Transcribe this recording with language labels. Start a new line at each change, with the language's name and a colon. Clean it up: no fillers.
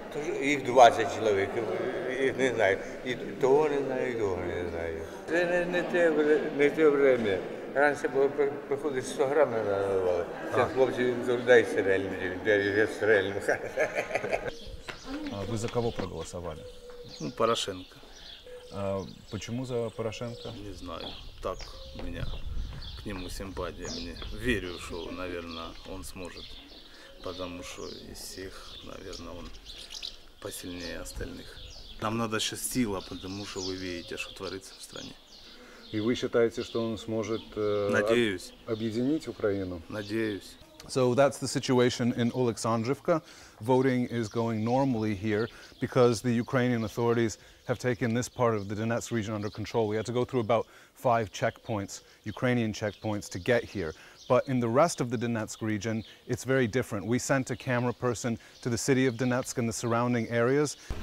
Ukrainian: Тож їх 20 чоловік, їх не знаю. І того не знаю, і того не знаю. Це не те время. Раніше було приходить 100 грам не надавали. Це хлопці завжди стрельні, де стрельну. А ви за кого проголосували? Ну, Порошенко.
Russian: А почему за Порошенко? Не знаю. Так у меня к нему симпатия. Мне верю, что, наверное, он сможет. Потому что из всех, наверное, он посильнее остальных. Нам надо сейчас сила, потому что вы видите, что творится в стране. И вы считаете, что он сможет объединить Украину? Надеюсь.
English: So that's the situation in Oleksandrivka. Voting is going normally here because the Ukrainian authorities have taken this part of the Donetsk region under control. We had to go through about 5 checkpoints, Ukrainian checkpoints, to get here. But in the rest of the Donetsk region, it's very different. We sent a camera person to the city of Donetsk and the surrounding areas.